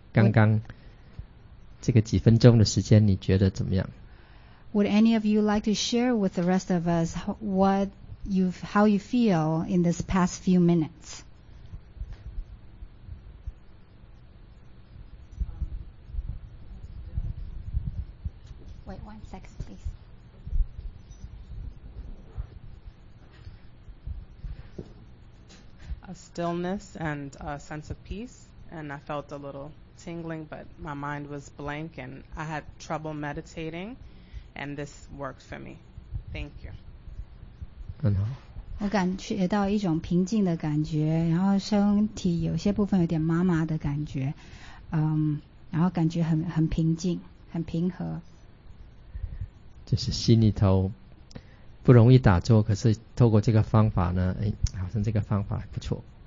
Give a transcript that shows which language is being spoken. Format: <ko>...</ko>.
<zh>刚刚这个几分钟的时间，你觉得怎么样</zh> <en>？Would any of you like to share with the rest of us how you feel in this past few minutes? Wait 1 second, please. A stillness and a sense of peace, and I felt a little tingling, but my mind was blank and I had trouble meditating, and this worked for me. Thank you.</en> <zh>很好。我感觉到一种平静的感觉，然后身体有些部分有点麻麻的感觉，然后感觉很平静，很平和。就是心里头不容易打坐，可是透过这个方法呢，好像这个方法还不错。</zh>